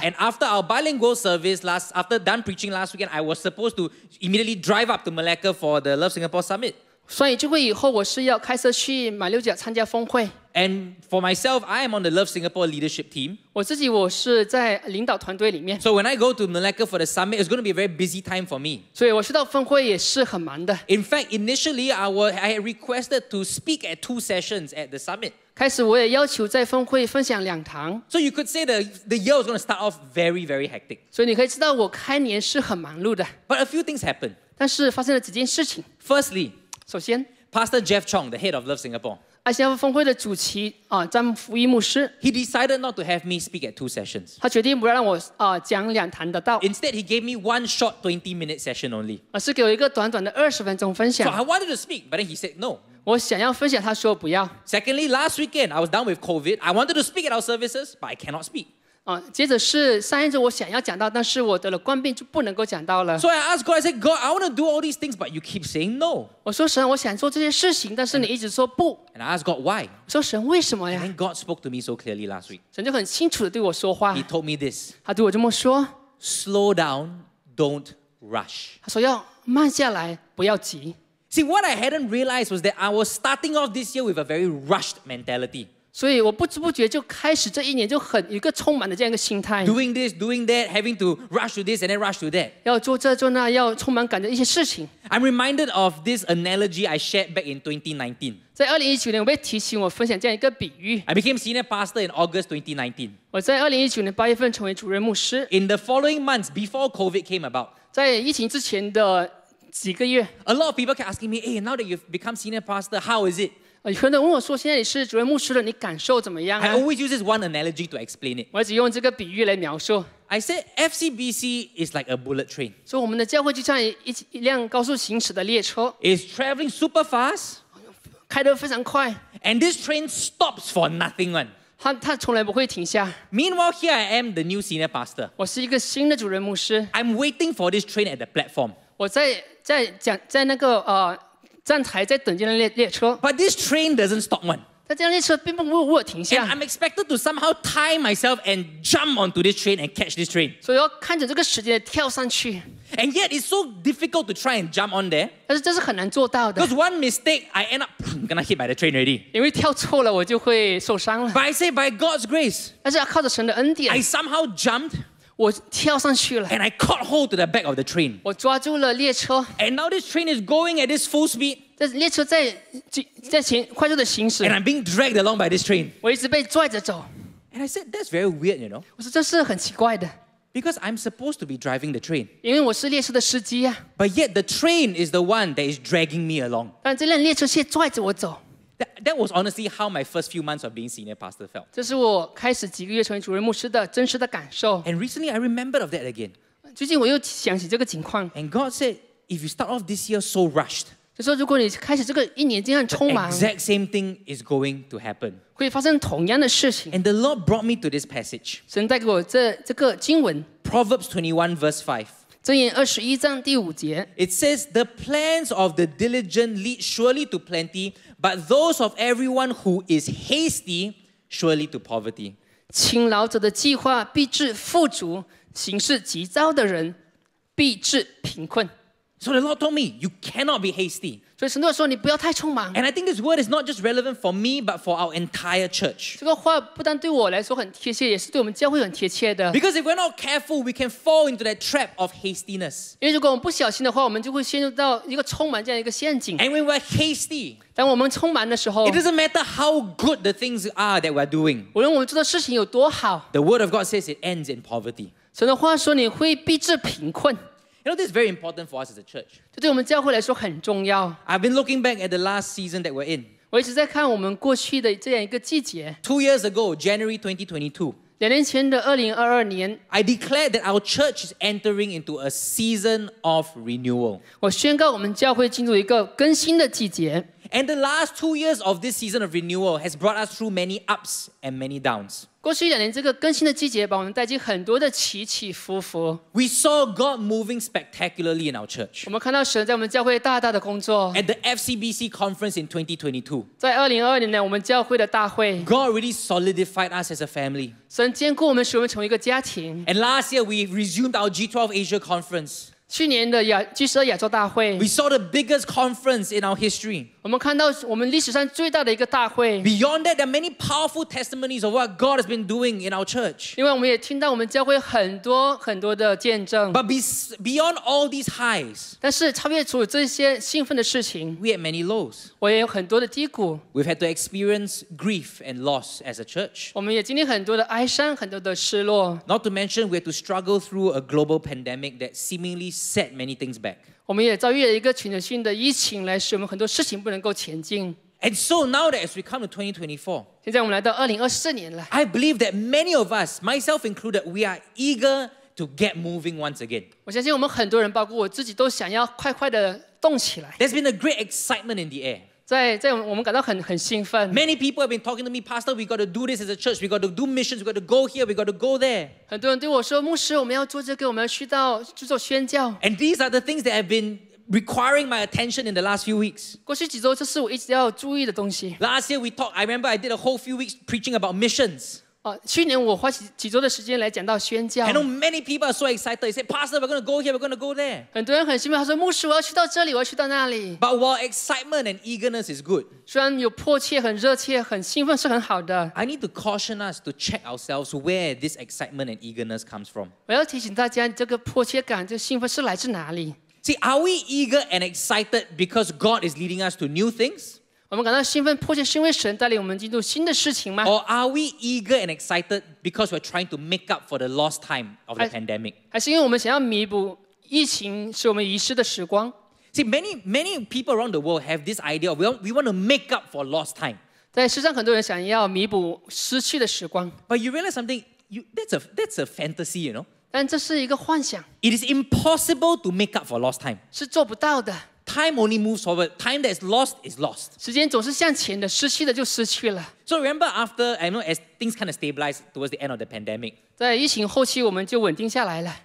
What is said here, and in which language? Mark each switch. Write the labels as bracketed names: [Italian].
[English] And after our bilingual service after done preaching last weekend I was supposed to immediately drive up to Malacca for the Love Singapore Summit [Chinese] 所以聚会以后我是要开车去马六甲参加峰会 [English] And for myself I am on the Love Singapore leadership team [Chinese] 我自己我是在领导团队里面 [English] So when I go to Malacca for the summit it's going to be a very busy time for me [Chinese] 所以我去到峰会也是很忙的 [English] In fact initially I had requested to speak at 2 sessions at the summit [Chinese] 开始我也要求在峰会分享两堂 [English] So you could say the year was going to start off very, very hectic. [Chinese] 所以你可以知道我开年是很忙碌的 [English] But a few things happened. [Chinese] 但是发生了几件事情 [English] Firstly, [Chinese] 首先 [English] Pastor Jeff Chong, the head of Love Singapore. [Chinese] 爱新加坡峰会的主席詹福一牧师 [English] He decided not to have me speak at 2 sessions. [Chinese] 他决定不要让我讲两堂的道 [English] Instead, he gave me one short 20-minute session only. [Chinese] 是给我一个短短的20分钟分享 [English] So I wanted to speak, but then he said no. [Chinese] 我想要分享他说不要 [English] Secondly, last weekend, I was down with COVID. I wanted to speak at our services, but I cannot speak. [Chinese] 接着是上一周我想要讲到但是我得了冠病就不能够讲到了 [English] So I asked God, I said, God, I want to do all these things, but you keep saying no. [Chinese] 我说神我想做这些事情但是你一直说不 [English] And I asked God, why? [Chinese] 我说神为什么呀 [English] And God spoke to me so clearly last week. [Chinese] 神就很清楚地对我说话 [English] He told me this. [Chinese] 他对我这么说 [English] Slow down, don't rush. [Chinese] 他说要慢下来不要急 [English] See, what I hadn't realized was that I was starting off this year with a very rushed mentality. [Chinese] 所以我不知不觉就开始这一年就很一个充满的这样一个心态 [English] doing this doing that having to rush to this and then rush to that [Chinese] 要做这做那要充满感的一些事情 [English] I'm reminded of this analogy I shared back in 2019 [Chinese] 在2019年我被提醒我分享这样一个比喻 [English] I became senior pastor in August 2019 [Chinese] 我在2019年8月份成为主任牧师 [English] in the following months before COVID came about [Chinese] 在疫情之前的几个月 [English] a lot of people kept asking me hey now that you've become senior pastor how is it [Chinese] 有人问我说：“现在你是主任牧师了，你感受怎么样、啊、 [English] ？”I always use this one analogy to explain it. [Chinese] 我只用这个比喻来描述。 [English] I said FCBC is like a bullet train. [Chinese] 所以我们的教会就像 一辆高速行驶的列车。 [English] It's traveling super fast. [Chinese] 开得非常快。 [English] And this train stops for nothing one. [Chinese] 它从来不会停下。 [English] Meanwhile, here I am, the new senior pastor. [Chinese] 我是一个新的主任牧师。 [English] I'm waiting for this train at the platform. [Chinese] 我在那个站台在等这辆列车 [English] ，But this train doesn't stop one. [Chinese] 但这辆列车并不会停下。 [English] And I'm expected to somehow tie myself and jump onto this train and catch this train. [Chinese] 所以要看着这个时间跳上去。 [English] And yet it's so difficult to try and jump on there. [Chinese] 但是这是很难做到的。 [English] Because one mistake, I end up gonna hit by the train already. [Chinese] 因为跳错了，我就会受伤了。 [English] But I say by God's grace. [Chinese] 但是要靠着神的恩典。 [English] I somehow jumped. [Chinese] 我跳上去了。 [English] And I caught hold to the back of the train. [Chinese] 我抓住了列车。 [English] And now this train is going at this full speed. [Chinese] 这列车在行快速的行驶 [English] ，and I'm being dragged along by this train. [Chinese] 我一直被拽着走 [English] ，and I said that's very weird, you know. [Chinese] 我说这是很奇怪的 [English] ，because I'm supposed to be driving the train. [Chinese] 因为我是列车的司机啊 [English] ，but yet the train is the one that is dragging me along. [Chinese] 但这辆列车却拽着我走。 [English] That was honestly how my first few months of being senior pastor felt. [Chinese] 这是我开始几个月成为主任牧师的真实的感受。 [English] And recently, I remembered of that again. [Chinese] 最近我又想起这个情况。 [English] And God said, if you start off this year so rushed. [Chinese] 就说如果你开始这个一年这样充满 [English] The exact same thing is going to happen. [Chinese] 会发生同样的事情 [English] And the Lord brought me to this passage. [Chinese] 神带给我这个经文 [English] Proverbs 21 verse 5. [Chinese] 箴言21章第五节 [English] It says, the plans of the diligent lead surely to plenty, but those of everyone who is hasty surely to poverty. [Chinese] 勤劳者的计划必致富足，行事急躁的人必致贫困。 [English] So the Lord told me, you cannot be hasty. [Chinese] 所以神对我说，你不要太匆忙。 [English] And I think this word is not just relevant for me, but for our entire church. [Chinese] 这个话不但对我来说很贴切，也是对我们教会很贴切的。 [English] Because if we're not careful, we can fall into that trap of hastiness. [Chinese] 因为如果我们不小心的话，我们就会陷入到一个匆忙这样一个陷阱。 [English] And when we're hasty, [Chinese] 当我们匆忙的时候 [English] ，it doesn't matter how good the things are that we're doing. [Chinese] 无论我们做的事情有多好 [English] ，the word of God says it ends in poverty. [Chinese] 神的话说，你会必致贫困。 [English] You know, this is very important for us as a church. [Chinese] 这对我们教会来说很重要。 [English] I've been looking back at the last season that we're in. [Chinese] 我一直在看我们过去的这样一个季节。 [English] 2 years ago, January 2022. [Chinese] 两年前的2022年。 [English] I declared that our church is entering into a season of renewal. [Chinese] 我宣告我们教会进入一个更新的季节。 [English] And the last 2 years of this season of renewal has brought us through many ups and many downs. [Chinese] 过去两年这个更新的季节把我们带进很多的起起伏伏。 [English] We saw God moving spectacularly in our church. [Chinese] 我们看到神在我们教会大大的工作。 [English] At the FCBC conference in 2022. [Chinese] 在2022年我们教会的大会。 [English] God really solidified us as a family. [Chinese] 神坚固我们使我们成为一个家庭。 [English] And last year we resumed our G12 Asia conference. [Chinese] 去年的G12亚洲大会 [English] We saw the biggest conference in our history [Chinese] 我们看到我们历史上最大的一个大会 [English] Beyond that, there are many powerful testimonies of what God has been doing in our church [Chinese] 另外我们也听到我们教会很多很多的见证 [English] But beyond all these highs [Chinese] 但是超越除了这些兴奋的事情 [English] We had many lows [Chinese] 我也有很多的低谷 [English] We've had to experience grief and loss as a church [Chinese] 我们也经历很多的哀伤很多的失落 [English] Not to mention we had to struggle through a global pandemic that seemingly set many things back. [Chinese] 我们也遭遇了一个全球性的疫情，来使我们很多事情不能够前进。 [English] And so now that as we come to 2024, [Chinese] 现在我们来到2024年了。 [English] I believe that many of us, myself included, we are eager to get moving once again. [Chinese] 我相信我们很多人，包括我自己，都想要快快的动起来。 [English] There's been a great excitement in the air. [Chinese] 在我们感到很兴奋。 [English] Many people have been talking to me, Pastor. We got to do this as a church. We got to do missions. We got to go here. We got to go there. [Chinese] 很多人对我说，牧师，我们要做这个，我们要去到去做宣教。 [English] And these are the things that have been requiring my attention in the last few weeks. [Chinese] 过去几周，这是我一直要注意的东西。 [English] Last year, I remember I did a whole few weeks preaching about missions. [Chinese] 去年我花几周的时间来讲到宣教。 [English] I know many people are so excited. They say, Pastor, we're going to go here, we're going to go there. [Chinese] 很多人很兴奋，他说牧师，我要去到这里，我要去到那里。 [English] But while excitement and eagerness is good, [Chinese] 虽然有迫切、很热切、很兴奋是很好的。 [English] I need to caution us to check ourselves where this excitement and eagerness comes from. [Chinese] 我要提醒大家，这个迫切感、这个、兴奋是来自哪里 [English] ？See, are we eager and excited because God is leading us to new things? [Chinese] 我们感到兴奋迫切是因为神带领我们进入新的事情吗 [English] Or are we eager and excited because we're trying to make up for the lost time of the pandemic? [Chinese] 还是因为我们想要弥补疫情使我们遗失的时光 [English] See, many people around the world have this idea of we want to make up for lost time. [Chinese] 在世上很多人想要弥补失去的时光 [English] But you realize something, that's a fantasy, you know? [Chinese] 但这是一个幻想 [English] It is impossible to make up for lost time. [Chinese] 是做不到的。 [English] Time only moves forward. Time that is lost is lost. [Chinese] 时间总是向前的，失去的就失去了。 [English] So remember after, I know as things kind of stabilized towards the end of the pandemic. [Chinese] 在疫情后期我们就稳定下来了。